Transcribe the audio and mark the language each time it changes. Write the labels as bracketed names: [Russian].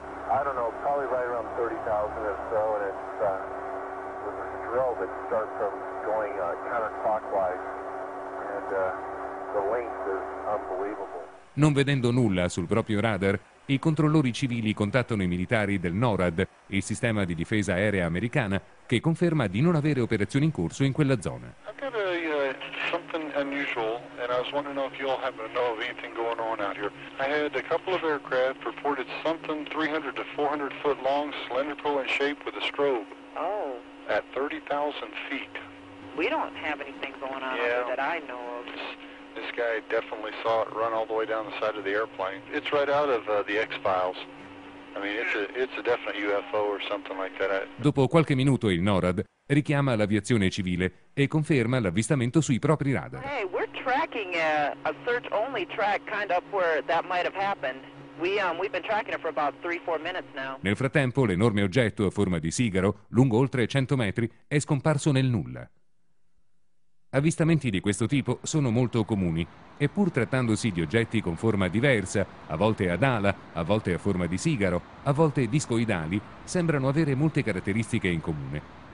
[English] I don't know, probably right around 30,000 or so, and it's with a drill that starts from going counterclockwise, and the length is unbelievable. [Italian] Non vedendo nulla sul proprio radar, i controllori civili contattano i militari del NORAD, il sistema di difesa aerea americana, che conferma di non avere operazioni in corso in quella zona. [English] Something unusual, and I was wondering if you all happen to know of anything going on out here. I had a couple of aircraft reported something 300 to 400 foot long, cylindrical in shape with a strobe. Oh. At 30,000 feet. We don't have anything going on yeah. that I know of. This guy definitely saw it run all the way down the side of the airplane. It's right out of the X-Files. I mean, it's a definite UFO or something like that. [Italian] Dopo qualche minuto il NORAD richiama l'aviazione civile e conferma l'avvistamento sui propri radar. [English] Hey, we're tracking a search only track kind of up where that might have happened. We've been tracking it for about 3-4 minutes now. [Italian] Nel frattempo, l'enorme oggetto a forma di sigaro, lungo oltre 100 metri, è scomparso nel nulla. Avvistamenti di questo tipo sono molto comuni e pur trattandosi di oggetti con forma diversa, a volte ad ala, a volte a forma di sigaro, a volte discoidali, sembrano avere molte caratteristiche in comune.